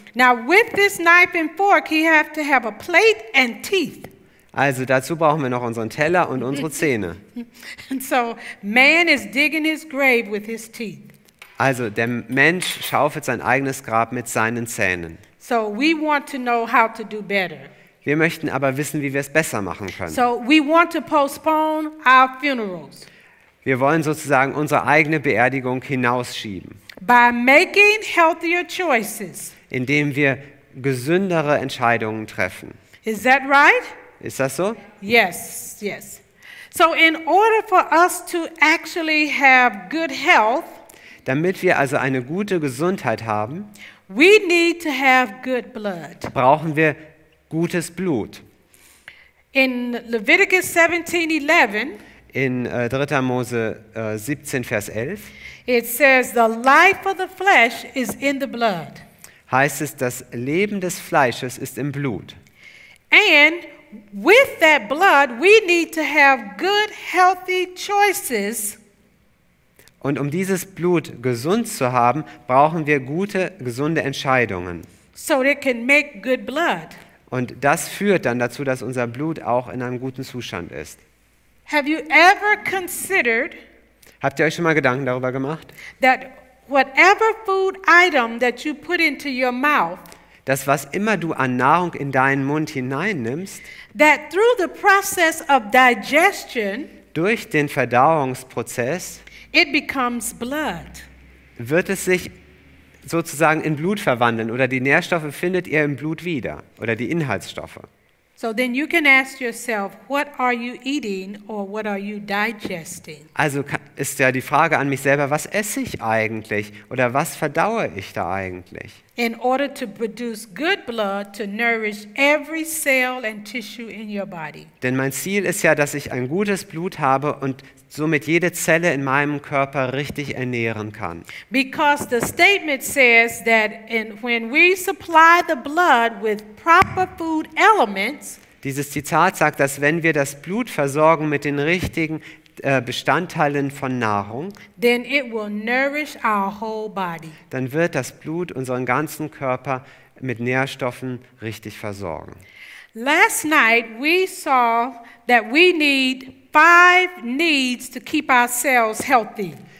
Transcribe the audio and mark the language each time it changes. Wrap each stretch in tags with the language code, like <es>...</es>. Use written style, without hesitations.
<en>Now with this knife and fork, he have to have a plate and teeth.</en> <de>Also dazu brauchen wir noch unseren Teller und unsere Zähne.</de> <en>And so man is digging his grave with his teeth.</en> <de>Also der Mensch schaufelt sein eigenes Grab mit seinen Zähnen.</de> <en>So we want to know how to do better.</en> <de>Wir möchten aber wissen, wie wir es besser machen können.</de> <en>So we want to postpone our funerals.</en> <de>Wir wollen sozusagen unsere eigene Beerdigung hinausschieben.</de> <en>By making healthier choices.</en> <de>Indem wir gesündere Entscheidungen treffen.</de> <en>Is that right?</en> <de>Ist das so?</de> <en>Yes, yes. So in order for us to actually have good health,</en> <de>damit wir also eine gute Gesundheit haben,</de> <en>we need to have good blood.</en> <de>Brauchen wir gutes Blut.</de> <en>In Leviticus 17:11,</en> <de>in 3. Mose 17 Vers 11,</de> <en>it says the life of the flesh is in the blood.</en> <de>Heißt es, das Leben des Fleisches ist im Blut.</de> <en>And with that blood we need to have good healthy choices.</en> <de>Und um dieses Blut gesund zu haben, brauchen wir gute gesunde Entscheidungen.</de> <en>so it can make good blood.</en> <de>Und das führt dann dazu, dass unser Blut auch in einem guten Zustand ist.</de> <en>Have you ever considered,</en> <de>habt ihr euch schon mal Gedanken darüber gemacht,</de> <en>that whatever food item that you put into your mouth,</en> <de>dass was immer du an Nahrung in deinen Mund hineinnimmst,</de> <en>that through the process of digestion,</en> <de>durch den Verdauungsprozess,</de> <en>it becomes blood.</en> <de>Wird es sich sozusagen in Blut verwandeln oder die Nährstoffe findet ihr im Blut wieder oder die Inhaltsstoffe.</de> <en>So then you can ask yourself, what are you eating or what are you digesting?</en> <de>Also ist ja die Frage an mich selber, was esse ich eigentlich oder was verdaue ich da eigentlich?</de> <en>In order to produce good blood to nourish every cell and tissue in your body.</en> <de>Denn mein Ziel ist ja, dass ich ein gutes Blut habe und somit jede Zelle in meinem Körper richtig ernähren kann.</de> <en>Because the statement says that in when we supply the blood with proper food elements.</en> <de>Dieses Zitat sagt, dass wenn wir das Blut versorgen mit den richtigen Bestandteilen von Nahrung,</de> <en>then it will nourish our whole body.</en> <de>Dann wird das Blut unseren ganzen Körper mit Nährstoffen richtig versorgen.</de> <en>Last night we saw that we need 5 needs to keep ourselves healthy.</en>